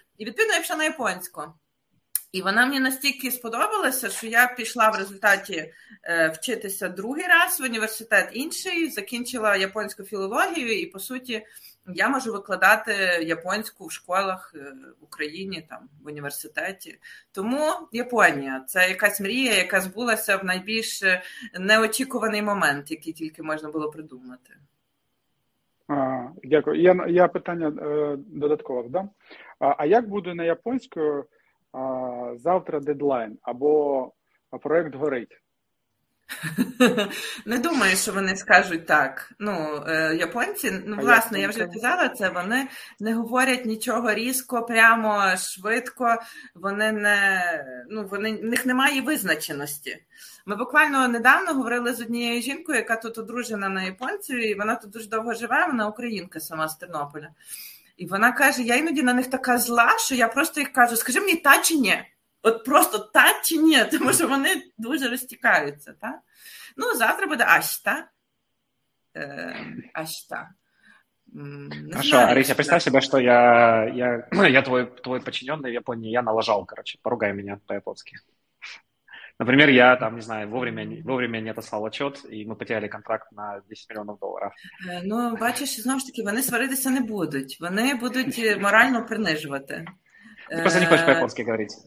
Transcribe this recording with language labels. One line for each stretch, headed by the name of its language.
Ukrainian: І відповідно я пішла на японську. І вона мені настільки сподобалася, що я пішла в результаті вчитися другий раз в університет інший, закінчила японську філологію, і, по суті, я можу викладати японську в школах в Україні, там, в університеті. Тому Японія – це якась мрія, яка збулася в найбільш неочікуваний момент, який тільки можна було придумати. Дякую. Я питання додаткове дам. А як буде на японську? Завтра дедлайн або проект горить. Не думаю, що вони скажуть так. Ну, японці, ну, власне, я вже казала це, вони не говорять нічого різко, прямо, швидко. Вони не, ну, вони, в них немає визначеності. Ми буквально недавно говорили з однією жінкою, яка тут одружена на японцю, і вона тут дуже довго живе, вона українка сама з Тернополя. І вона каже, я іноді на них така зла, що я просто їх кажу, скажи мені та чи ні? От просто та чи ні? Тому що вони дуже розтікаються, так? Ну, завтра буде ашта. Ашта.
Russian: Хорошо, Арися, представь себе, що я твой подчинений в Японії, я налажав, короче, поругай мене по-японськи. Например, я там, не знаю, вовремя не отослал отчет, и мы потеряли контракт на 10 миллионов долларов.
Ukrainian: Ну, бачиш, знову ж таки, вони сваритися не будуть. Вони будуть морально принижувати. Ти просто не хочеш по-японськи говорити.